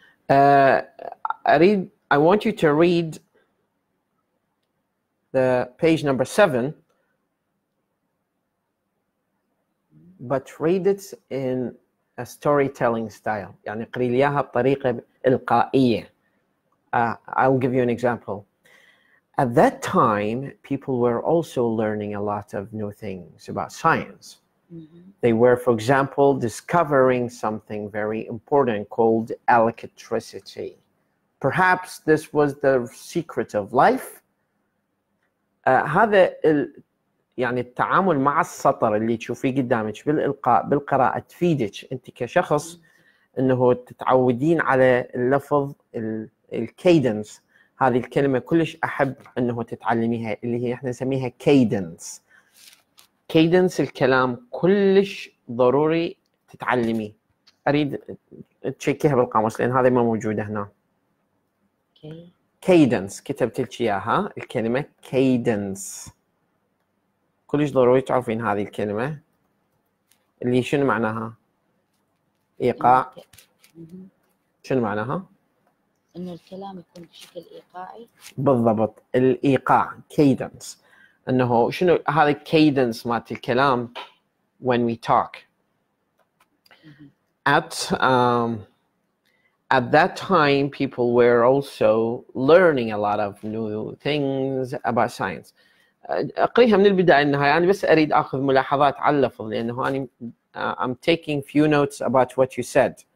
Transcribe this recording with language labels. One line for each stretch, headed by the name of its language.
English: اريد I want you to read the page number 7 but read it in a storytelling style.
Arabic: يعني قري لي اياها بطريقة إلقائية.
English: I'll give you an example. At that time, people were also learning a lot of new things about science. Mm-hmm. They were, for example, discovering something very important called electricity. Perhaps this was the secret of life.
Arabic: هذا يعني التعامل مع السطر اللي تشوفيه قدامك بالإلقاء بالقراءة تفيدك أنت كشخص أنه تتعودين على اللفظ الكيدنس هذه الكلمة كلش أحب أنه تتعلميها اللي هي إحنا نسميها كيدنس كيدنس الكلام كلش ضروري تتعلمي أريد تشيكيها بالقاموس لأن هذه ما موجودة هنا كيدنس كتبت لك إياها الكلمة كيدنس كلش ضروري تعرفين هذه الكلمة اللي شنو معناها؟ إيقاع شنو معناها؟ إنه الكلام يكون بشكل إيقاعي
English: بالضبط الإيقاع كيدنس إنه شنو هذا كيدنس مالت الكلام when we talk at that time people were also learning a lot of new things about science أقريها من البداية النهاية أنا بس أريد أخذ ملاحظات على اللفظ لأنه أنا I'm taking few notes about what you said